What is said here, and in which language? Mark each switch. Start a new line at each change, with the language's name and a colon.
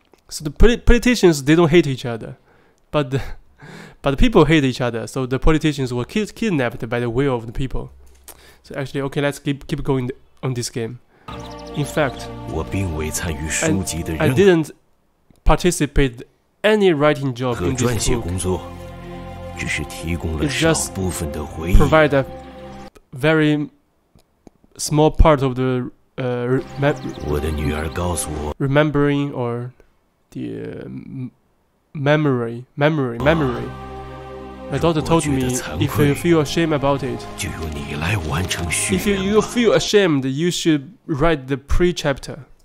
English: So the politicians, they don't hate each other, but the people hate each other. So the politicians were kidnapped by the will of the people. So actually, okay, let's keep going on this game. In fact,
Chinese: 我并未参与书籍的任
English: 何。I didn't participate any writing job in this book.
Chinese: 和撰写工作，只是提供了少部分的回忆。
English: It just provide a very small part of the
Chinese: 我的女儿告诉我
English: remembering or the memory. My daughter told me, if you feel ashamed about it, if you feel ashamed, you should write the pre-chapter.